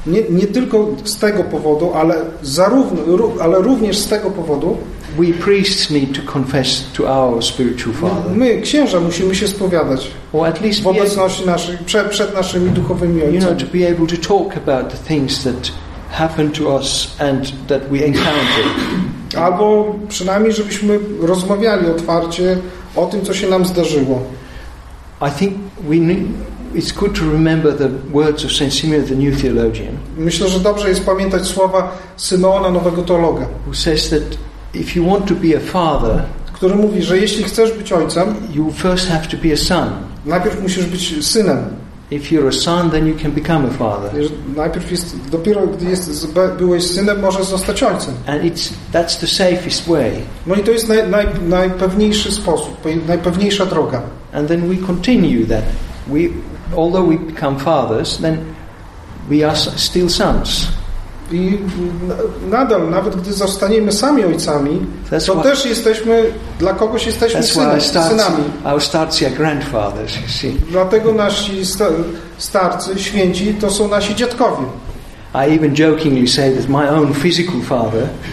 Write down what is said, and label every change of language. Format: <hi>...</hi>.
<pl>Nie tylko z tego powodu, ale również z tego powodu.</pl> <en>We priests need to confess to our spiritual father.</en> <pl>My księża musimy się spowiadać.</pl> <en>Or at least</en> <pl>w obecności przed naszymi duchowymi ojcami.</pl> <en>You know, to be able to talk about the things that happened to us and that we encountered.</en> <pl>Albo przynajmniej żebyśmy rozmawiali otwarcie o tym, co się nam zdarzyło.</pl> <en>I think it's good to remember the words of Saint Simeon the New Theologian.</en> <pl>Myślę, że dobrze jest pamiętać słowa Symeona, nowego teologa.</pl> <en>Who says that if you want to be a father,</en> <pl>który mówi, że jeśli chcesz być ojcem,</pl> <en>you first have to be a son.</en> <pl>Najpierw musisz być synem.</pl> <en>If you're a son, then you can become a father.</en> <pl>Dopiero gdy byłeś synem, możesz zostać ojcem.</pl> <en>And that's the safest way.</en> <pl>No i to jest najpewniejszy sposób, najpewniejsza droga.</pl> <en>And then we continue that. We, although we become fathers, then we are still sons.</en> <pl>I nadal, nawet gdy zostaniemy sami ojcami,</pl> <en>that's</en> <pl>to what, też jesteśmy, dla kogoś jesteśmy synami.</pl> <en>Our starcy are grandfathers, you see.</en> <pl>Dlatego nasi starcy, święci, to są nasi dziadkowie.</pl> <en>I even jokingly say that my own physical father.</en>